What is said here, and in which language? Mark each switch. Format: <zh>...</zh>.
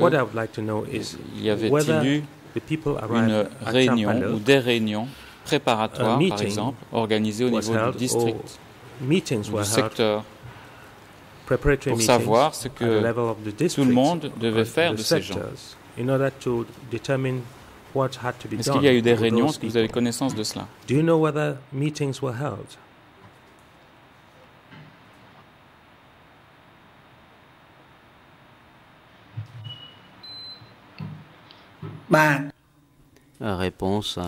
<en>like</en> <fr>il y avait-il eu une réunion ou des réunions préparatoires, par exemple, organisées au niveau du district,</fr> <en>meetings</en> <fr>du secteur, pour savoir ce que tout le monde devait faire de ces gens.</fr> <en>In order to determine what had to be</en> <fr>Est-ce qu'il y a eu des réunions? Est-ce que vous avez connaissance de cela?</fr> <en>Do you know whether meetings were held?</en> <fr>Réponse.</fr>